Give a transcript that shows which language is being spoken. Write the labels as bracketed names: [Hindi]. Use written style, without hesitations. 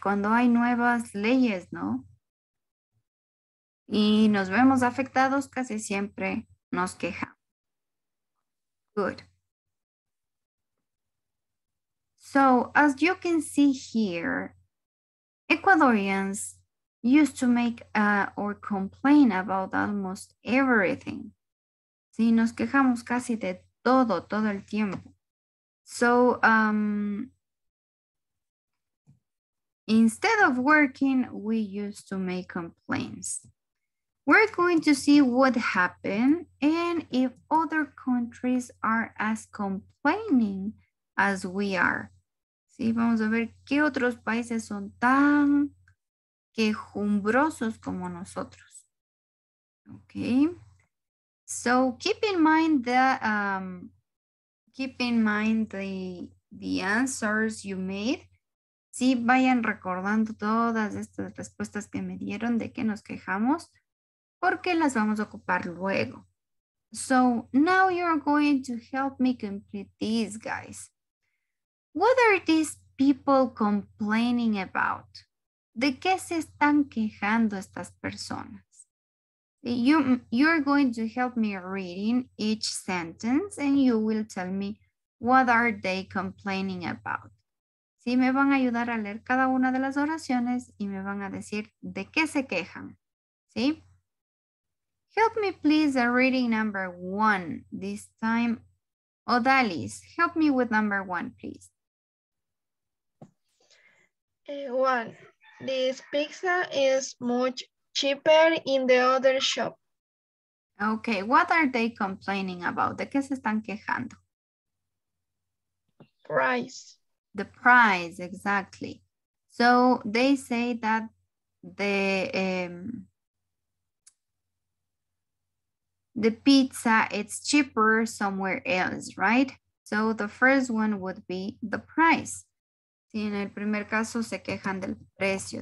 [Spanish] Cuando hay nuevas leyes, ¿no? Y nos vemos afectados, casi siempre nos queja. [English] Good. So, as you can see here, Ecuadorians used to make or complain about almost everything. [Spanish] Sí, nos quejamos casi de todo, todo el tiempo. [English] So, instead of working, we used to make complaints. We're going to see what happened and if other countries are as complaining as we are. [Spanish] Sí, vamos a ver qué otros países son tan quejumbrosos como nosotros. [English] Okay. So keep in mind the answers you made. [Spanish] Sí, vayan recordando todas estas respuestas que me dieron de que nos quejamos, porque las vamos a ocupar luego. [English] So now you're going to help me complete these guys. What are these people complaining about? [Spanish] ¿De qué se están quejando estas personas? [English] You're going to help me reading each sentence and you will tell me what are they complaining about. [Spanish] Sí, me van a ayudar a leer cada una de las oraciones y me van a decir de qué se quejan. Sí. [English] Help me please a reading number one this time. Odalis, help me with number one, please. One. This pizza is much cheaper in the other shop. Okay, what are they complaining about? [Spanish] ¿De qué se están quejando? [English] Price. The price, exactly. So they say that the pizza is cheaper somewhere else, right? So the first one would be the price. [Spanish] Sí, en el primer caso se quejan del precio.